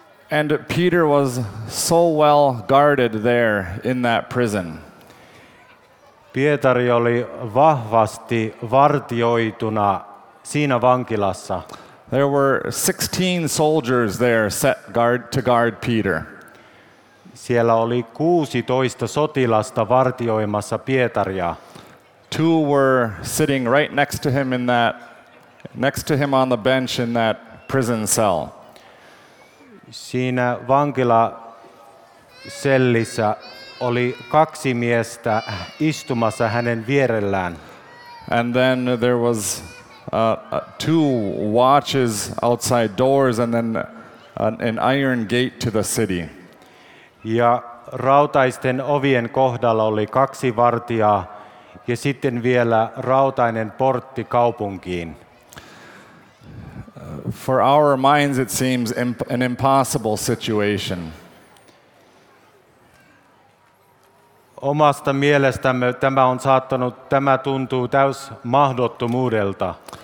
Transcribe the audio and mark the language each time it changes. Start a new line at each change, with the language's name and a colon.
English: And Peter was so well guarded there in that prison.
Finnish: Pietari oli vahvasti vartioituna siinä vankilassa.
English: There were 16 soldiers there set guard to guard Peter.
Finnish: Siellä oli 16 sotilasta vartioimassa Pietaria.
English: Two were sitting right next to him on the bench in that prison cell.
Finnish: Siinä vankilasellissä oli 2 miestä istumassa hänen vierellään.
English: And then there was two watches outside doors and then an iron gate to the city.
Finnish: Ja rautaisten ovien kohdalla oli 2 vartijaa ja sitten vielä rautainen portti kaupunkiin.
English: For our minds it seems an impossible situation.
Finnish: Omasta mielestämme tämä tuntuu täys mahdottomuudelta.